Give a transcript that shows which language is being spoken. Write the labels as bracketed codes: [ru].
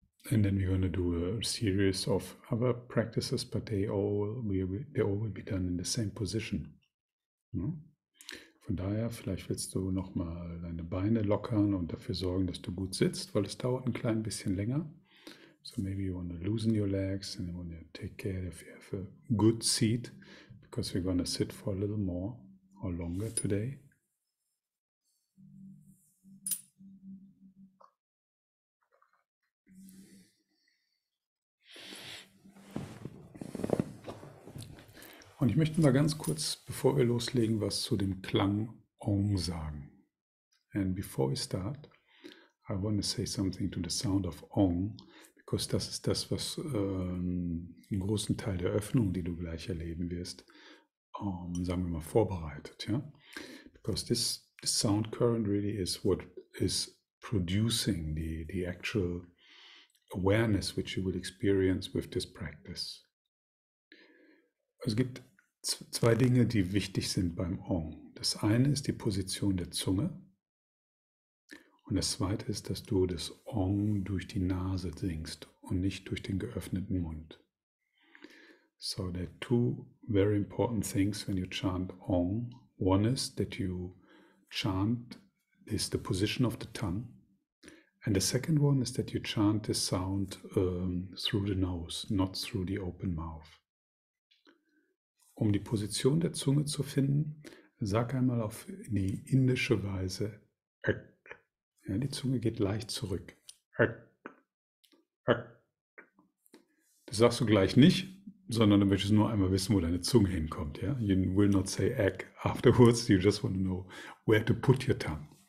[en] And then we're going to do a series of other practices, but they all will be done in the same position. [de] Ja? Von daher, vielleicht willst du nochmal deine Beine lockern und dafür sorgen, dass du gut sitzt, weil es dauert ein klein bisschen länger. [en] So maybe you want to loosen your legs and you want to take care if you have a good seat. because we're going to sit for a little more or longer today. [de] Und ich möchte mal ganz kurz, bevor wir loslegen, was zu dem Klang Ong sagen. [en] And before we start, I want to say something to the sound of Ong, because [de] das ist das, was einen großen Teil der Öffnung, die du gleich erleben wirst, sagen wir mal, vorbereitet. [en] Yeah? Because this sound current really is what is producing the actual awareness, which you will experience with this practice. [de] Es gibt zwei Dinge, die wichtig sind beim Ong. Das eine ist die Position der Zunge. Und das zweite ist, dass du das Ong durch die Nase singst und nicht durch den geöffneten Mund. [en] So there are two very important things when you chant Ong. One is that you chant is the position of the tongue. And the second one is that you chant the sound through the nose, not through the open mouth. [de] Um die Position der Zunge zu finden, sag einmal auf die indische Weise Ek. Ja, die Zunge geht leicht zurück. Ek. Ek. Das sagst du gleich nicht, sondern du möchtest nur einmal wissen, wo deine Zunge hinkommt. Ja? [en] You will not say Ek afterwards, you just want to know where to put your tongue.